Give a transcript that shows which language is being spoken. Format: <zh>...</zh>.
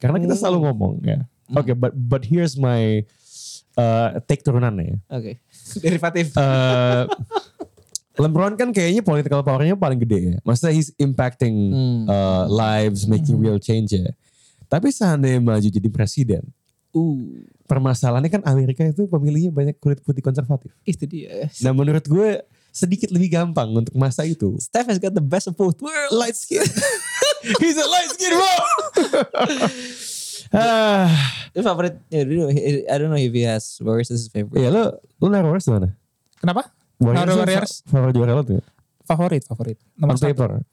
<id>Karena kita selalu ngomong ya.</id> <en>Okay, but here's my take</en> <id>turunannya. Okay. Derivatif. LeBron kan kayaknya political powernya paling gede ya.</id> <en>Maksudnya he's impacting lives, making real change ya.</en> <id>Tapi seandainya maju jadi presiden. Permasalahannya kan Amerika itu pemilihnya banyak kulit putih konservatif. Itu dia. Nah menurut gue sedikit lebih gampang untuk masa itu.</id> <en>Steph has got the best of both worlds. Light skin. He's a light skin bro. Favorite, I don't know if he has Warriors as his favorite.</en> <id>Iya, lu naruh Warriors dimana? Kenapa? Naruh Warriors? Favorite juara lu tuh ya? Favorit.</id> <en>On paper?</en>